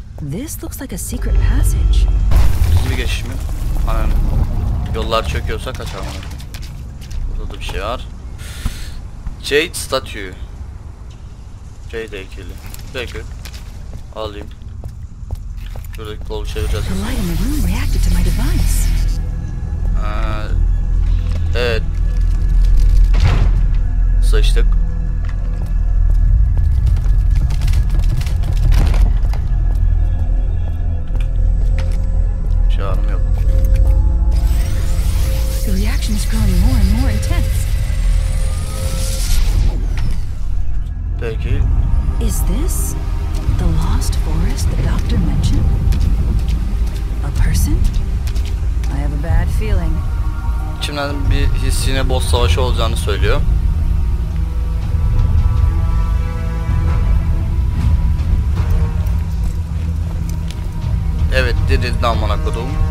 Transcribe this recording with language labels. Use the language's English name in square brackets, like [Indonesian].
[English] This looks like a secret passage. [Turkish] Gizli bir geçiş mi? Aynen. Yollar çöküyorsa kaçalım. Burada da bir şey var. [English] Jade statue. [Turkish] Jade heykeli. Peki. Alayım. Şuradaki kolu çevireceğiz. [English] The light in the room reacted to my device. [Turkish] Evet. Sıçtık. Çağrım yok. [English] The reaction is growing more and more intense. [Turkish] Peki. [English] Is this the lost forest the doctor mentioned? A person? I have a bad feeling. [Turkish] İçimden bir hissine boss savaşı olacağını söylüyor. Evet, dirildi amına koyduğum.